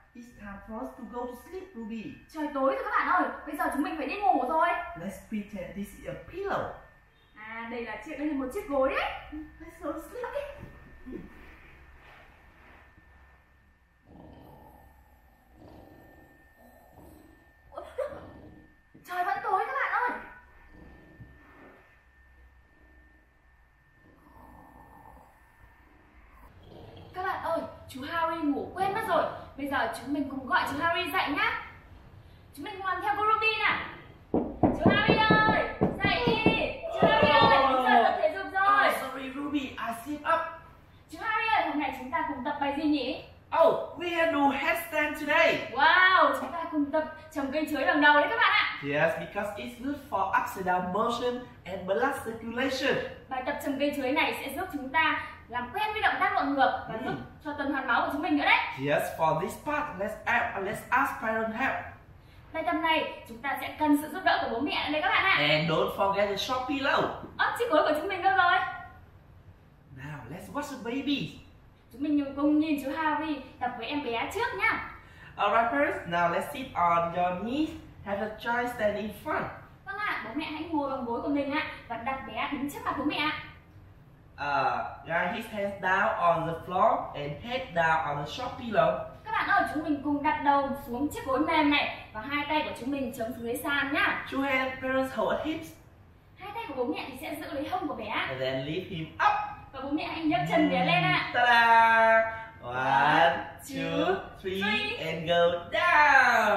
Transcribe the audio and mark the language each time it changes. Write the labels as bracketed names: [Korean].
[English] It's time for us to go to sleep, Ruby. [Vietnamese] Trời tối rồi các bạn ơi. Bây giờ chúng mình phải đi ngủ rồi. [English] Let's pretend this is a pillow. [Vietnamese] Đây là chiếc, đây là một chiếc gối đấy. [English] Let's go to sleep. Okay. [Vietnamese] Trời vẫn tối các bạn ơi. Các bạn ơi, chú Harry ngủ quên mất rồi. Bây giờ chúng mình cùng gọi chú Harry dậy nhá. Chúng mình cùng làm theo cô Ruby nè. Chú Harry ơi, dậy đi. Chú Harry ơi, chúng ta tập thể dục rồi. [English] Sorry Ruby, I sleep up. [Vietnamese] Chú Harry ơi, hôm nay chúng ta cùng tập bài gì nhỉ? [English] Oh, we are doing headstand today. [Vietnamese] Wow, chúng ta cùng tập trồng cây chuối đằng đầu đấy các bạn ạ. [English] Yes, because it's good for ups and down motion and blood circulation. [Vietnamese] Bài tập trồng cây chuối này sẽ giúp chúng ta làm quen với động tác vận ngược và giúp cho tuần hoàn máu của chúng mình nữa đấy. [English] Yes, for this part, let's ask parent help. [Vietnamese] Bài tập này, chúng ta sẽ cần sự giúp đỡ của bố mẹ đấy các bạn ạ. [English] And don't forget the short pillow. [Vietnamese] Chiếc gối của chúng mình đâu rồi? [English] Now, let's watch the baby. [Vietnamese] Chúng mình cùng nhìn chú Harry tập với em bé trước nhá. [English] Alright parents, now let's sit on your knees. Have a try stand in front. [Vietnamese] Vâng ạ, bố mẹ hãy ngồi bằng gối của mình ạ. Và đặt bé đứng trước mặt bố mẹ ạ. [English] Right, his hands down on the floor and head down on the soft pillow. [Vietnamese] Các bạn ơi, chúng mình cùng đặt đầu xuống chiếc gối mềm này. Và hai tay của chúng mình chống dưới sàn nhá. [English] Two hands, parents hold hips [Vietnamese] của bố mẹ thì sẽ giữ lấy hông của bé. [English] And then lift him up. [Vietnamese] Và bố mẹ hãy nhấc chân bé lên ạ. [English] Ta-da! 1, 2, 3 and go down.